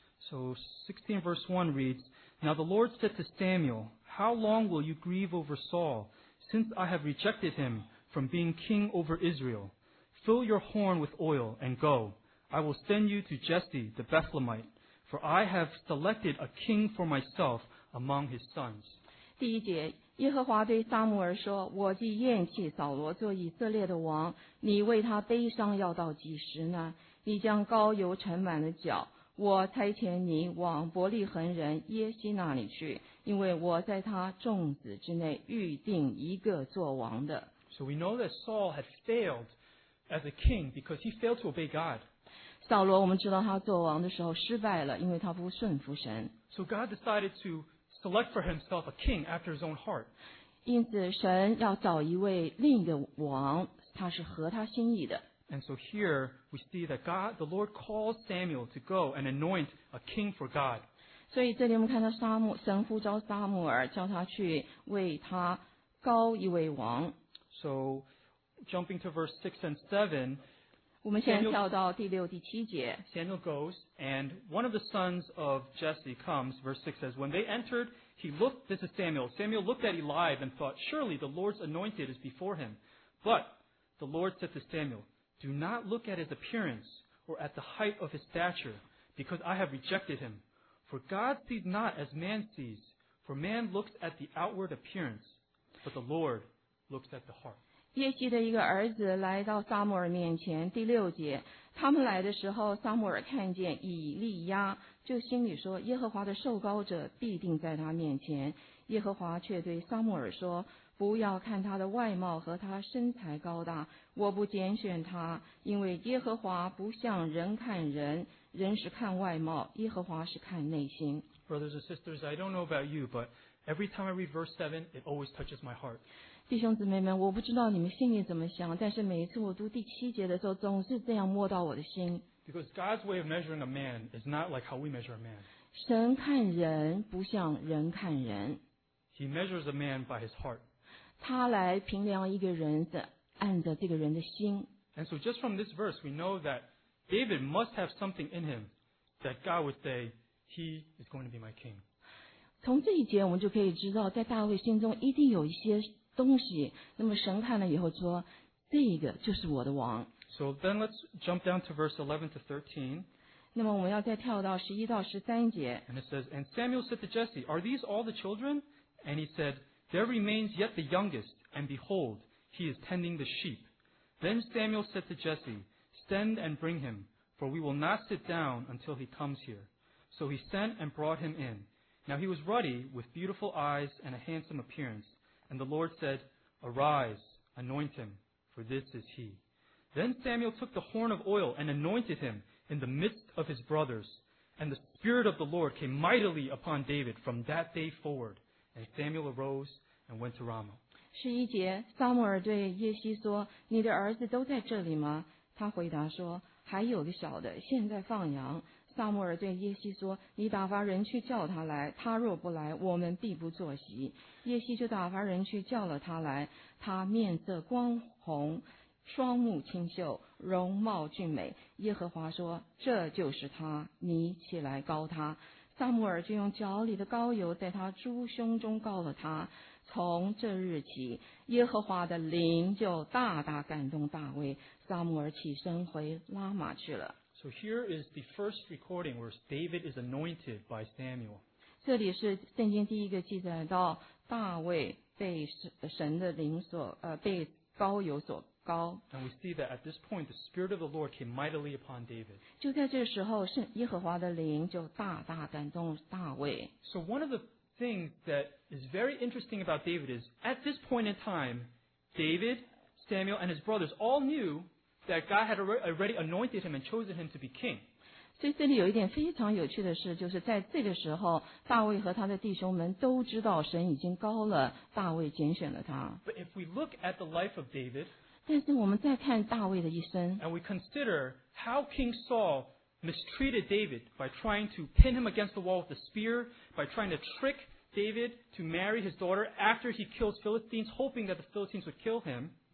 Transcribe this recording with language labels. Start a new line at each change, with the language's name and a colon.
English: So 16 verse 1 reads, Now the Lord said to Samuel, How long will you grieve over Saul, since I have rejected him from being king over Israel? Fill your horn with oil and go. I will send you to Jesse the Bethlehemite, for I have selected a king for myself among his sons.
Chinese: 第一节，耶和华对撒母耳说，我既厌弃扫罗做以色列的王，你为他悲伤要到几时呢？你将膏油盛满了脚，我差遣你往伯利恒人耶西那里去，因为我在他众子之内预定一个做王的。
English: So we know that Saul had failed as a king because he failed to obey God.
Chinese: 扫罗，我们知道他做王的时候失败了，因为他不顺服神。
English: So God decided to select for himself a king after his own heart.
Chinese: 因此，神要找一位另一个王，他是合他心意的。
English: And so here we see that God, the Lord calls Samuel to go and anoint a king for God.
Chinese: 所以这里我们看到神呼召撒母耳，叫他去为他膏一位王。
English: So jumping to verse 6 and 7,
Chinese: 我们现在跳到第六、第七节。
English: Samuel goes, and one of the sons of Jesse comes, verse 6 says, When they entered, he looked, this is Samuel, Samuel looked at Eli and thought, Surely the Lord's anointed is before him. But the Lord said to Samuel,Do not look at his appearance or at the height of his stature, because I have rejected him. For God sees not as man sees, for man looks at the outward appearance, but the Lord looks at the heart.
Chinese: 耶西的一个儿子来到撒母耳面前，第六节，他们来的时候，撒母耳看见以利亚，就心里说，耶和华的受膏者必定在他面前。耶和华却对撒母耳说，不要看他的外貌和他身材高大，我不拣选他，因为耶和华不像人看人，人是看外貌，耶和华是看内心。
English: Brothers and sisters, I don't know about you, but Every time I read verse 7, it always touches my heart.
Chinese: 弟兄姊妹们，我不知道你们心里怎么想，但是每一次我读第七节的时候，总是这样摸到我的心。
English: Because God's way of measuring a man is not like how we measure a man.
Chinese: 神看人不像人看人。
English: He measures a man by his heart.
Chinese: 他来评量一个人的，按着这个人的心。
English: And so just from this verse, we know that David must have something in him that God would say, he is going to be my king.
Chinese: 从这一节我们就可以知道，在大卫心中一定有一些东西，那么神看了以后说，这个就是我的王。
English: So then let's jump down to verse 11 to 13.
Chinese: 那么我们要再跳到11到13节。
English: And it says, And Samuel said to Jesse, Are these all the children? And he said, There remains yet the youngest, and behold, he is tending the sheep. Then Samuel said to Jesse, Send and bring him, for we will not sit down until he comes here. So he sent and brought him in. Now he was ruddy, with beautiful eyes and a handsome appearance. And the Lord said, Arise, anoint him, for this is he. Then Samuel took the horn of oil and anointed him in the midst of his brothers. And the Spirit of the Lord came mightily upon David from that day forward. And Samuel arose and went to Ramah.
Chinese: 十一节，撒母耳对耶西说，你的儿子都在这里吗？他回答说，还有个小的，现在放羊。撒母耳对耶西说，你打发人去叫他来，他若不来，我们必不坐席。耶西就打发人去叫了他来，他面色光红，双目清秀，容貌俊美。耶和华说，这就是他，你起来膏他。撒母耳就用脚里的膏油在他猪胸中膏了他。从这日起，耶和华的灵就大大感动大卫。撒母耳起身回拉玛去了。
English: So here is the first recording where David is anointed by Samuel.
Chinese: 这里是圣经第一个记载到大卫被神的灵所被膏油所膏。
English: And we see that at this point, the Spirit of the Lord came mightily upon David.
Chinese: 就在这时候，耶和华的灵就大大感动大卫。
English: So one of the thing that is very interesting about David is at this point in time, David, Samuel, and his brothers all knew that God had already anointed him and chosen him to be king.
Chinese: 所以这里有一点非常有趣的事，就是在这个时候，大卫和他的弟兄们都知道神已经膏了大卫，拣选了他。
English: But if we look at the life of David,
Chinese: 但是我们再看大卫的一生，
English: and we consider how King Saul mistreated David by trying to pin him against the wall with a spear, by trying to trick David to marry his daughter after he kills Philistines, hoping that the Philistines would kill him.